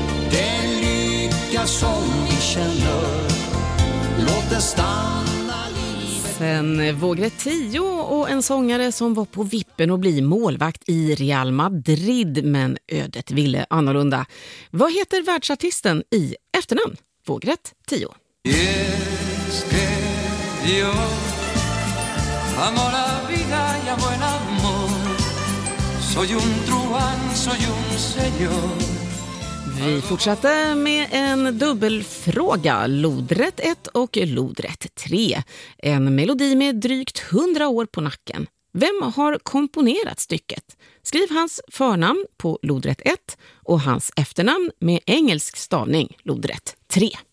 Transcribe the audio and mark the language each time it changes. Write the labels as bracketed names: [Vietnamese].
[Swedish] Den lycka som vi känner, låt den stanna. Sen vågrätt 10 och en sångare som var på vippen att bli målvakt i Real Madrid, men ödet ville annorlunda. Vad heter världsartisten i efternamn? Vågrätt 10. [Spanish] Yes, que yo amo la vida y amo el amor. Soy un truán, soy un señor. [Swedish] Vi fortsätter med en dubbelfråga, lodrätt 1 och lodrätt 3. En melodi med drygt 100 år på nacken. Vem har komponerat stycket? Skriv hans förnamn på lodrätt 1 och hans efternamn med engelsk stavning, lodrätt 3.